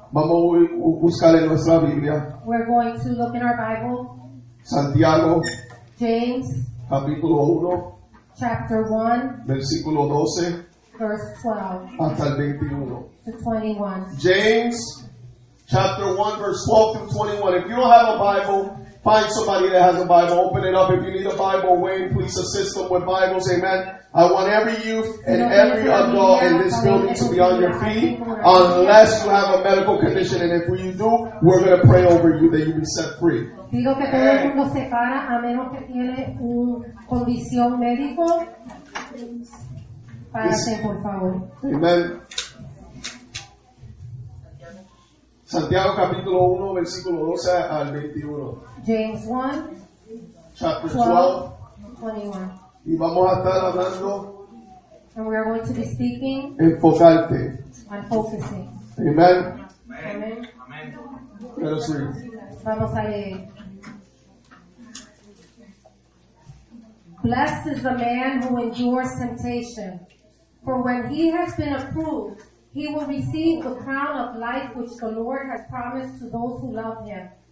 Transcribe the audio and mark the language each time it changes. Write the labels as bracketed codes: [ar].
[es] vamos a buscar en nuestra Biblia. [en] We're going to look in our Bible. [es] Santiago, [en] James, [es] capítulo 1, [en] chapter 1, [es] versículo 12, [en] verse 12, [es] hasta el 21. [en] To 21. James, chapter 1, verse 12 through 21. If you don't have a Bible, find somebody that has a Bible. Open it up. If you need a Bible, Wayne, please assist them with Bibles. Amen. I want every youth and every adult in this building to be on your feet unless you have a medical condition. And if you do, we're going to pray over you that you be set free. [es] Digo que todo el mundo se para a menos que tiene un condición médico. Párate, por favor. [en] Amen. [es] Santiago capítulo 1, versículo 12 al 21. [en] James 1, chapter 12, 21. [es] Y vamos a estar hablando. [en] And we are going to be speaking. [es] Enfocarte. [en] And focusing. Amen. Amen. Let us read. [es] Vamos a leer. [en] Blessed is the man who endures temptation, for when he has been approved, he will receive the crown of life which the Lord has promised to those who love him.